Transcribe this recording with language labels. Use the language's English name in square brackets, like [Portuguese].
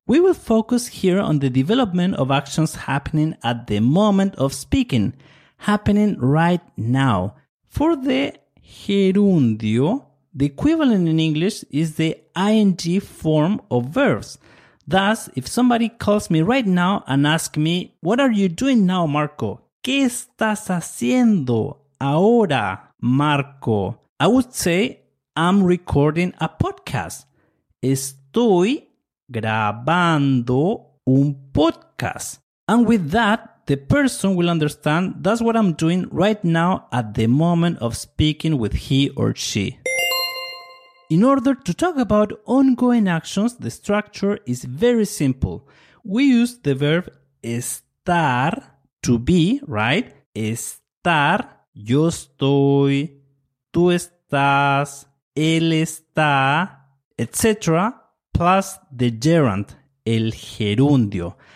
[English] We will focus here on the development of actions happening at the moment of speaking, happening right now. For the gerundio, the equivalent in English is the ing form of verbs. Thus, if somebody calls me right now and asks me, what are you doing now, Marco? [Spanish] ¿Qué estás haciendo ahora, Marco? [English] I would say, I'm recording a podcast. [Spanish] Estoy grabando un podcast. [English] And with that, the person will understand that's what I'm doing right now at the moment of speaking with he or she. In order to talk about ongoing actions, the structure is very simple. We use the verb estar to be, right? [Spanish] Estar, yo estoy, tú estás, él está, etc., [English] plus the gerund, [Spanish] el gerundio.